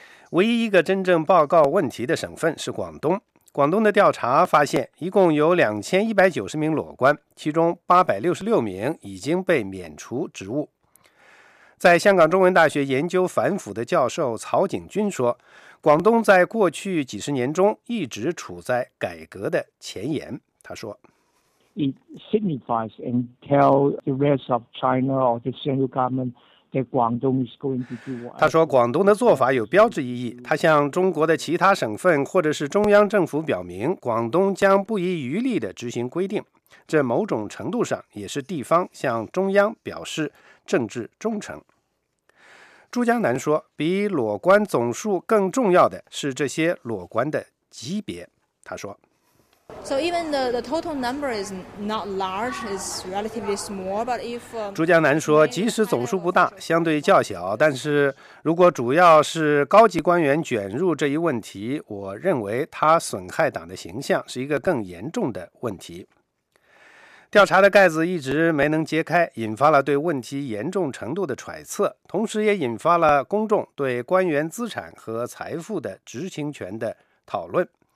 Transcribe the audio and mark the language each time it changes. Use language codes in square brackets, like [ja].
[zh] 唯一一个真正报告问题的省份是广东。广东的调查发现，一共有2190名裸官，其中866名已经被免除职务。在香港中文大学研究反腐的教授曹景军说，广东在过去几十年中一直处在改革的前沿。他说， [en] It signifies and tells the rest of China or the central government that Guangdong is going to do what. [zh] 他说，广东的做法有标志意义。他向中国的其他省份或者是中央政府表明，广东将不遗余力地执行规定。这某种程度上也是地方向中央表示政治忠诚。朱江南说，比裸官总数更重要的是这些裸官的级别。他说。 [en] So even the total number is not large, it's relatively small. But if [zh] 朱江南说，即使总数不大，相对较小，但是如果主要是高级官员卷入这一问题，我认为它损害党的形象是一个更严重的问题。调查的盖子一直没能揭开，引发了对问题严重程度的揣测，同时也引发了公众对官员资产和财富的执行权的讨论。